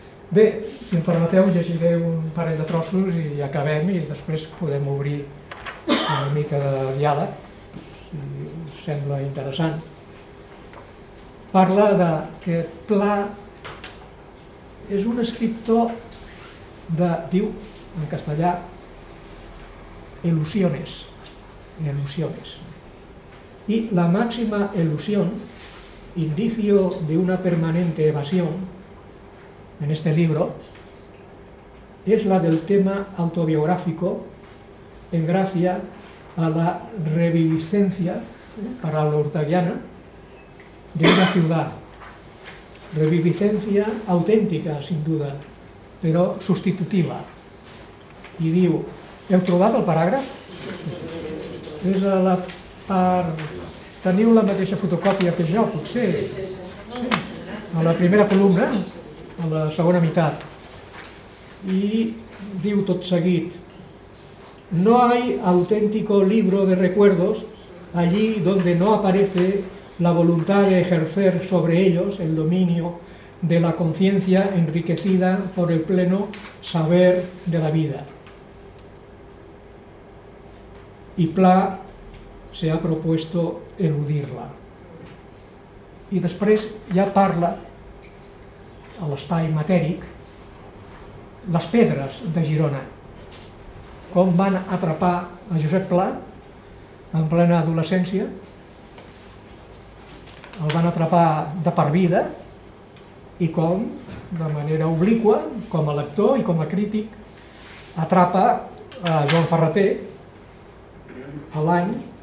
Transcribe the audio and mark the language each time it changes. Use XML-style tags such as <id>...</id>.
<ca>Bé, si em permeteu, llegiré un parell de trossos i acabem i després podem obrir una mica de diàleg, si us sembla interessant. Parla de que Pla és un escriptor de, diu en castellà, ilusiones, ilusiones. I la màxima</ca> <es>ilusión, indicio de una permanente evasión, en este libro, es la del tema autobiográfico en gracia a la reviviscencia para la ortegiana de una ciudad. Reviviscencia auténtica, sin duda, pero sustitutiva. Y digo,</es> <ca>¿he trobat</ca> <es>el parágrafo?</es> <ca>Es a la part... Teniu la mateixa fotocòpia que jo, potser? Sí. A la primera columna, a la segona meitat. I diu tot seguit,</ca> <es>no hay auténtico libro de recuerdos allí donde no aparece la voluntad de ejercer sobre ellos el dominio de la conciencia enriquecida por el pleno saber de la vida. Y Pla se ha propuesto eludir-la.</es> <ca>I després ja parla a l'espai matèric, les pedres de Girona, com van atrapar a Josep Pla en plena adolescència, el van atrapar de per vida i com, de manera obliqua, com a lector i com a crític, atrapa a Joan Ferrater a l'any</ca>